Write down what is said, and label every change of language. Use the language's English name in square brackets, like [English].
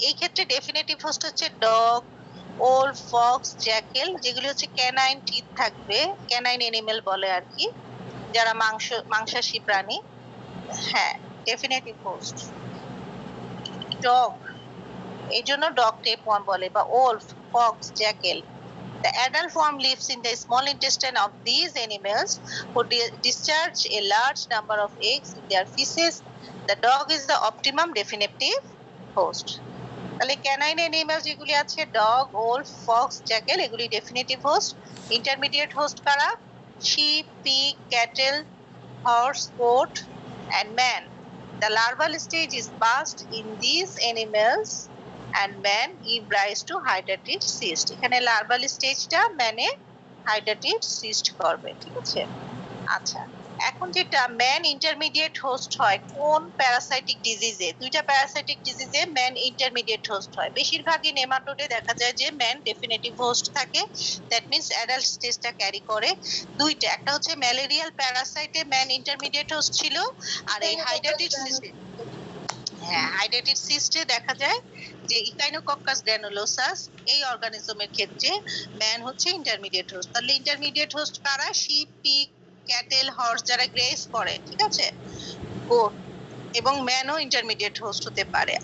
[Bangla] এই ক্ষেত্রে definitive host হচ্ছে ডগ, ওল ফক্স, জ্যাকেল, যেগুলি হচ্ছে ক্যানাইন টিথ থাকবে, ক্যানাইন এনিমেল বলে আর কি, যারা মাংস মাংসাশী প্রাণী। হ্যাঁ ডেফিনেটিভ হোস্ট ডগ, এই জন্য ডগ টেপ ওয়ার্ম বলে, বা wolf, Fox, Jekyll. [English] The adult form lives in the small intestine of these animals who discharge a large number of eggs in their feces. The dog is the optimum definitive host. [Bangla] তাহলে [English] canine animals [Bangla] যেগুলি আছে, [English] dog, wolf, fox, jackal, [Bangla] এগুলি [English] definitive host. Intermediate host [Bangla] কারা? [English] Sheep, pig, cattle, horse, goat, and man. The larval stage is passed in these animals and man give rise to hydatid cyst. [Bangla] এখানে larval stage টা মানে hydatid cyst করবে, ঠিক আছে? আচ্ছা, এখন যেটা man intermediate host হয় কোন parasitic disease এ? দুইটা parasitic disease এ man intermediate host হয়। বেশিরভাগই nematode দেখা যায় যে man definitive host থাকে, [English] that means [Bangla] adult stage টা carry করে। দুইটা, একটা হচ্ছে malarial parasite এ man intermediate host ছিল, আর এই hydatid cyst, হাইড্রেটেড সিস্টে দেখা যায় যে ইকাইনোকোকাস গ্রানুলোসাস, এই অর্গানিজমের ক্ষেত্রে ম্যান হচ্ছে ইন্টারমিডিয়েট হোস্ট। তাহলে ইন্টারমিডিয়েট হোস্ট কারা? শিপ, পিগ, ক্যাটেল, হর্স, যারা গ্রেস করে, ঠিক আছে, গোট, এবং ম্যানও ইন্টারমিডিয়েট হোস্ট হতে পারে।